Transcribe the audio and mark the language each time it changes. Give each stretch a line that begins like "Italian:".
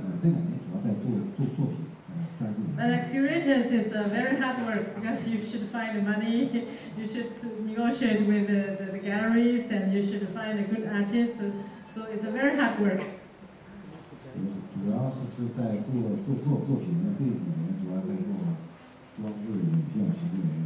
Chinese: 你说做你想做策展，做到你想，现在有很多人还要找我，说我现在做艺术家了，我说我这两年主要在做作品，三四年。
English: The curators is a very hard work because you should find the money, you should negotiate with the galleries, and you should find a good artist. So it's a very hard work.
Chinese: 主要是在做作品的这几年，主要在做装置影像行为。